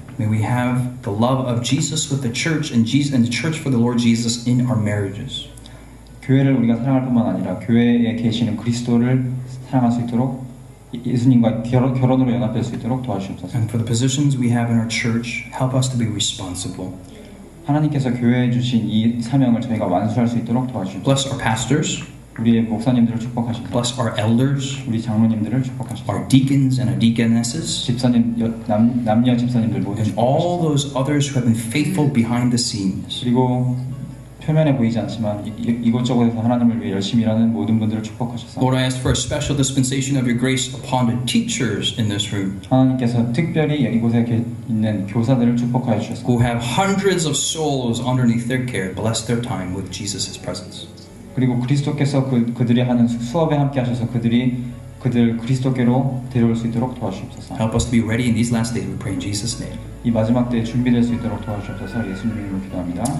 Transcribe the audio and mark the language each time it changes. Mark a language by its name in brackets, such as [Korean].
[English] May we have the love of Jesus with the church and Jesus and the church for the Lord Jesus in our marriages. [Korean] 교회를 우리가 사랑할 뿐만 아니라 교회에 계시는 그리스도를 사랑할 수 있도록 예수님과 결혼으로 연합될 수 있도록 도와주시옵소서. [English] And for the positions we have in our church, help us to be responsible. [Korean] 하나님께서 교회에 주신 이 사명을 저희가 완수할 수 있도록 도와주시옵소서. [English] Bless our pastors. [Korean] 우리의 목사님들을 축복하시고. [English] Bless our elders. [Korean] 우리 장로님들을 축복하시고. [English] Our deacons and our deaconesses. [Korean] 집사님 남녀 집사님들 모두. [English] And all those others who have been faithful behind the scenes. [Korean] 그리고 표면에 보이지 않지만 이곳저곳에서 하나님을 위해 열심히 일하는 모든 분들을 축복하셔서. [English] Lord, I ask for a special dispensation of your grace upon the teachers in this room. [Korean] 하나님께서 특별히 이곳에 있는 교사들을 축복하여 주셔서. [English] Who have hundreds of souls underneath their care, bless their time with Jesus' presence. [Korean] 그리고 그리스도께서 그들이 하는 수업에 함께 하셔서 그들 그리스도께로 데려올 수 있도록 도와주옵소서. [English] Help us to be ready in these last days. We pray in Jesus' name. [Korean] 이 마지막 때 준비될 수 있도록 도와주옵소서. 예수님 이름으로 기도합니다.